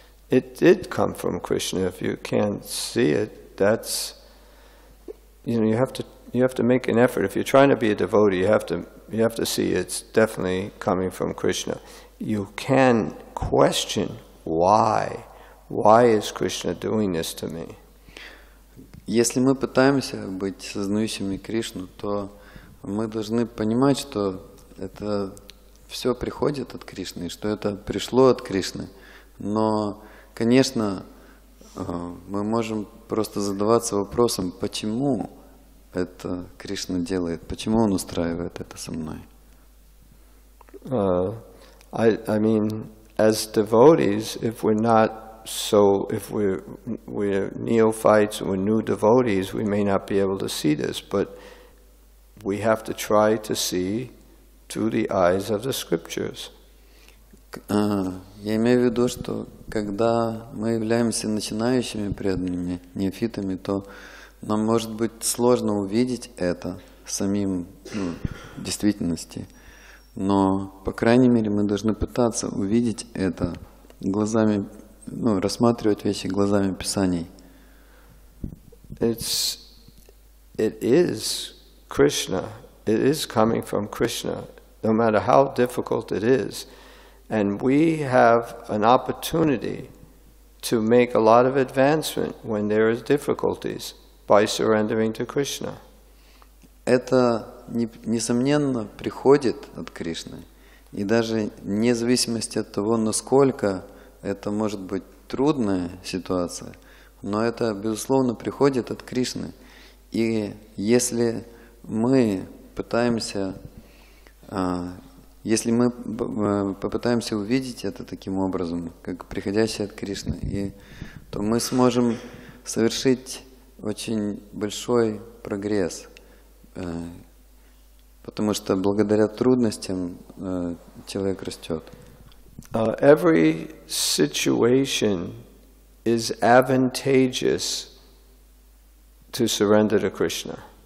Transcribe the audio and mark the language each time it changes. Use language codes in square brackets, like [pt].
[en] It did come from Krishna. If you can't see it, that's, you know, you have to make an effort. If you're trying to be a devotee, you have to see it's definitely coming from Krishna. You can question why. Why is Krishna doing this to me? [ru] Если мы пытаемся быть сознающими Кришну, то мы должны понимать, что это все приходит от Кришны, что это пришло от Кришны. Но, конечно, мы можем просто задаваться вопросом, почему это Кришна делает, почему он устраивает это со мной. [en] I mean, as devotees, if we're not so, if we're neophytes, we're new devotees, we may not be able to see this, but we have to try to see through the eyes of the scriptures. [ru] Я имею в виду, что когда мы являемся начинающими преданными, неофитами, то нам может быть сложно увидеть это самим в действительности. Но, по крайней мере, мы должны пытаться увидеть это глазами, ну, рассматривать вещи глазами Писаний. [en] It is Krishna. It is coming from Krishna. No matter how difficult it is, and we have an opportunity to make a lot of advancement when there is difficulties by surrendering to Krishna. [ru] Это несомненно приходит от Кришны, и даже вне зависимости от того, насколько это может быть трудная ситуация, но это безусловно приходит от Кришны. И если мы пытаемся попытаемся увидеть это таким образом, как приходящее от Кришны, то мы сможем совершить очень большой прогресс, потому что благодаря трудностям человек растет. [en] Every situation is advantageous to surrender to Krishna.